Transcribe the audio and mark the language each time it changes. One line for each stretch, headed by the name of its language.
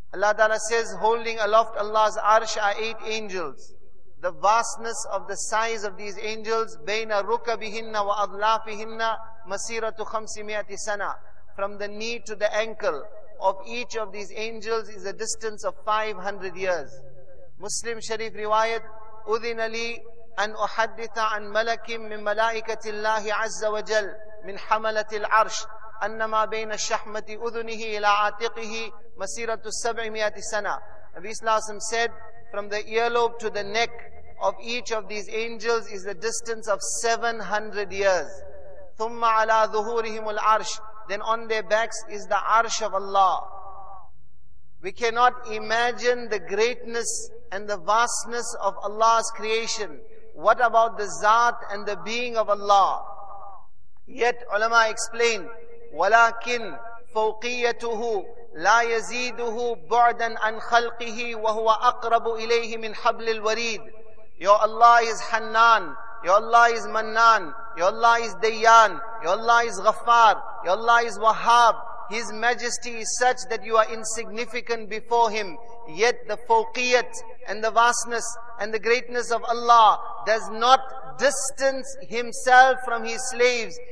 English: Allah Ta'ala says, holding aloft Allah's arsh are 8 angels. The vastness of the size of these angels,
Arabic: بَيْنَ رُكَبِهِنَّ وَأَضْلَافِهِنَّ مَسِيرَةُ خَمْسِ مِئَةِ سَنَةٍ.
English: From the knee to the ankle of each of these angels is a distance of 500 years. Muslim Sharif riwayat,
Arabic: أُذِنَ لِي أَنْ أُحَدِّثَ عَنْ مَلَكٍ مِّن مَلَائِكَةِ اللَّهِ عَزَّ وَجَلْ مِنْ حَمَلَةِ الْعَرْشِ أَنَّمَا بَيْنَ الشَّحْمَةِ أُذُنِهِ إِلَى عَاتِقِهِ مَسِيرَةُ السَّبْعِ مِئَةِ سَنَةٍ.
English: Nabi Sallallahu Alaihi Wasallam said, from the earlobe to the neck of each of these angels is the distance of 700 years.
Arabic: ثُمَّ عَلَى ظُهُورِهِمُ الْعَرْشِ.
English: Then on their backs is the arsh of Allah. We cannot imagine the greatness and the vastness of Allah's creation. What about the zat and the being of Allah? Yet ulama explain,
Arabic: وَلَكِنْ فَوْقِيَّتُهُ لَا يَزِيدُهُ بُعْدًا عَنْ خَلْقِهِ وَهُوَ أَقْرَبُ إِلَيْهِ مِنْ حَبْلِ الْوَرِيدِ.
English: Your Allah is Hannan, your Allah is Mannan, your Allah is Dayyan, your Allah is Ghaffar, your Allah is Wahhab. His majesty is such that you are insignificant before him. Yet the fawqiyat and the vastness and the greatness of Allah does not distance himself from his slaves.